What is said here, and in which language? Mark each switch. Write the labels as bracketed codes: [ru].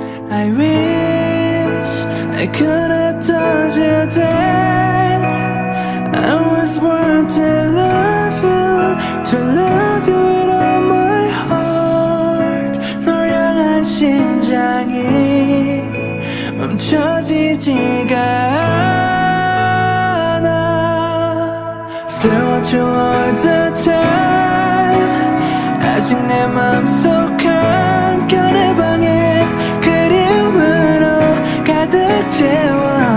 [en] I wish I could have told you that I was born to love you, to love you with all my heart. [ko] 널 향한 심장이 멈춰지지가 않아. [en] Still want you all the time. [ko] 아직 내 맘 속 한켠의 방에 그리움으로 가득 채워.